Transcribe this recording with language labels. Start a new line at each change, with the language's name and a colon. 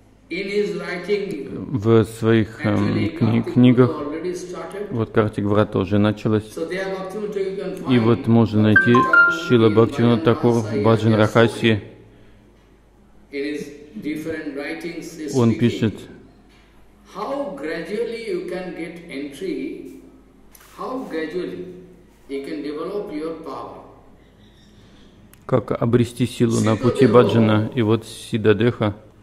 English: In his writing.
Russian: В своих книгах. Вот Картикврата уже началась.
English: So there, Bhaktivinoda Thakur can find.
Russian: И вот можно найти Шрила Бхактивинода Тхакур в Баджан Рахаси.
English: In his different writings.
Russian: Он пишет.
English: How gradually you can get entry, how gradually you can develop your power.
Russian: Как обрести силу на пути баджана и вот сиддхадеха.